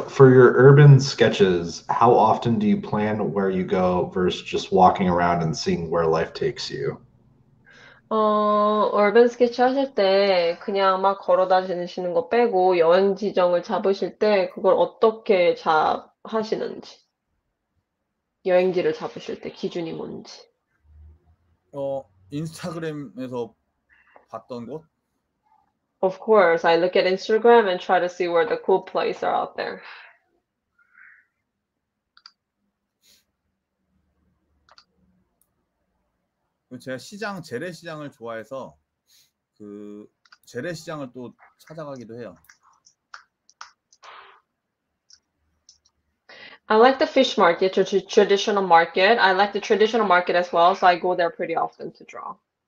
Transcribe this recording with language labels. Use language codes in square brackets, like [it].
[en] For your urban sketches, how often do you plan where you go versus just walking around and seeing where life takes you? [ko] 얼벤 스케치 하실 때 그냥 막 걸어 다니시는 거 빼고 여행 지정을 잡으실 때 그걸 어떻게 하시는지. 여행지를 잡으실 때 기준이 뭔지. 인스타그램에서 봤던 곳? [en] Of course, I look at Instagram and try to see where the cool places are out there. [ko] 제가 재래시장을 좋아해서 그 재래시장을 또 찾아가기도 해요. [en] I like the fish market, the traditional market. I like the traditional market as well, so I go there pretty often to draw.